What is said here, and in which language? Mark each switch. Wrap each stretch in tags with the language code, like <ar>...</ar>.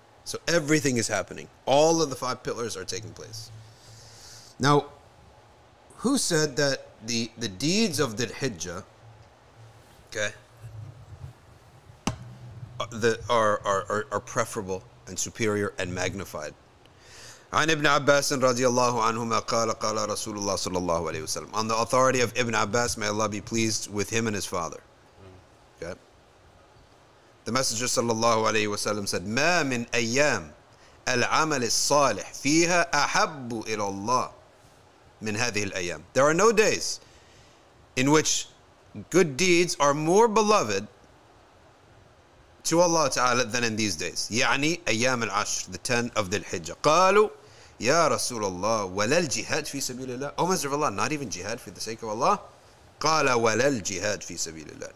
<en>So everything is happening. All of the five pillars are taking place. Now, who said that the deeds of Dhul Hijjah, okay, are preferable and superior and magnified?</en> <ar>عن ابن عباس رضي الله عنهما قال قال رسول الله صلى الله عليه وسلم.</ar> <en>On the authority of Ibn Abbas, may Allah be pleased with him and his father. Okay. The Messenger صلى الله عليه وسلم said,</en> <ar>ما من أيام العمل الصالح فيها أحب إلى الله من هذه الأيام.</ar> <en>There are no days in which good deeds are more beloved to Allah Ta'ala than in these days.</en> <ar>يعني أيام العشر,</ar> <en>the 10 of Dhul Hijjah.</en> <ar>قالوا Ya Rasulullah, walal jihad fi sabilillah.</ar> <en>Oh, Master of Allah, not even jihad for the sake of Allah.</en> <ar>Qala walal jihad fi sabilillah.</ar>